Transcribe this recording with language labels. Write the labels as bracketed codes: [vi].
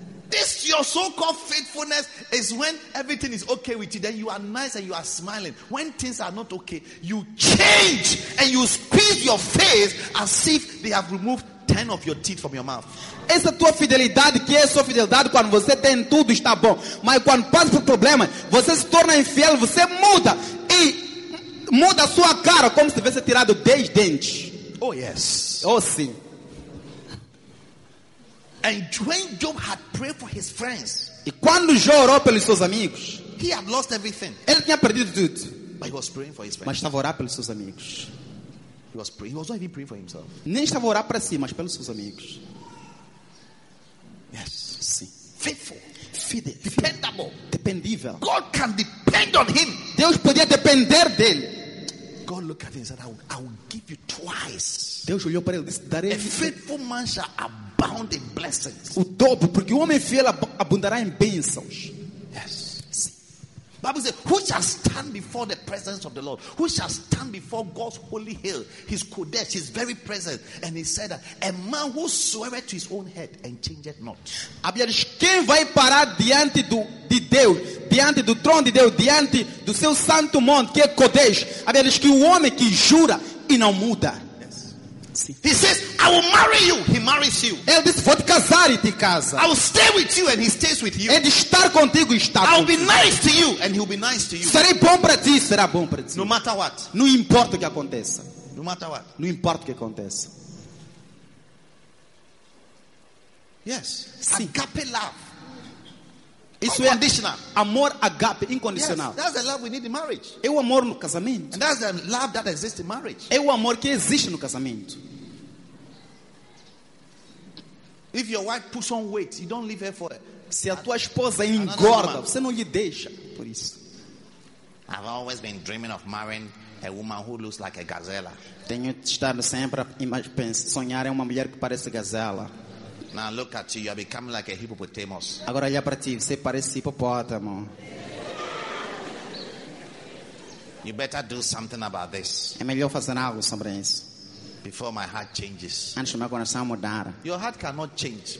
[en] This your so-called faithfulness is when everything is okay with you, then you are nice and you are smiling. When things are not okay, you change and you squeeze your face as if they have removed 10 of your teeth from your mouth. [pt] Essa tua fidelidade, que é a sua fidelidade quando você tem tudo está bom, mas quando passa por problema, você se torna infiel, você muda e muda a sua cara como se tivesse tirado 10 dentes. [en] Oh, yes. [pt] Oh, sim. [en] And when Job had prayed for his friends, [pt] e quando Jó orou pelos seus amigos, [en] he had lost everything. [pt] Ele tinha perdido tudo. [en] But he was praying for his friends. [pt] Mas estava orando pelos seus amigos. [en] He was not even praying for himself. [pt] Nem estava orando para si, mas pelos seus amigos. [en] Yes. [pt] Sim. [en] Faithful. [pt] Fidel. [en] Dependable. [pt] Dependível. [en] God can depend on him. [pt] Deus podia depender dele. [en] God looked at him and said, I will give you twice. [pt] Deus olhou para ele e disse, darei. [en] A faithful man shall abound in blessings. [pt] O dobro, porque o homem fiel abundará em bênçãos. [en] Yes. [pt] Sim. [en] Bible says, who shall stand before the presence of the Lord? Who shall stand before God's holy hill, his Kodesh, his very presence? And he said that a man who sweareth to his own head and changeth not. [pt] A Bíblia diz, quem vai parar diante de Deus, diante do trono de Deus, diante do seu santo monte, que é Kodesh? A Bíblia diz que o homem que jura e não muda. [en] He says, I will marry you. He marries you. [pt] Ele disse, vou te casar e te casa. [en] I will stay with you and he stays with you. [pt] Ele estar contigo e estar contigo. [en] I will be nice to you and he will be nice to you. [pt] Serei bom para ti, será bom para ti. [en] No matter what. [pt] Não importa o que aconteça. [en] No matter what. [pt] Não importa o que aconteça. [en] Yes. [pt] Sim. [en] Agape love. [pt] Isso é [en] unconditional. [pt] Amor agape incondicional. [en] Yes, that's the love we need in marriage. [pt] É o amor no casamento. [en] And that's the love that exists in marriage. [pt] É o amor que existe no casamento. [en] If your wife puts on weight, you don't leave her for it. [pt] Se a tua esposa engorda, você não lhe deixa por isso. [en] I've always been dreaming of marrying a woman who looks like a gazela. [pt] Tenho estado sempre a sonhar em uma mulher que parece gazela. [en] Now look at you. You are becoming like a hippopotamus. [pt] Agora olha para ti. Você parece hipopótamo. [en] You better do something about this. [pt] É melhor fazer algo sobre isso. [en] Before my heart changes. [pt] Antes do meu coração mudar. [en] Your heart cannot change.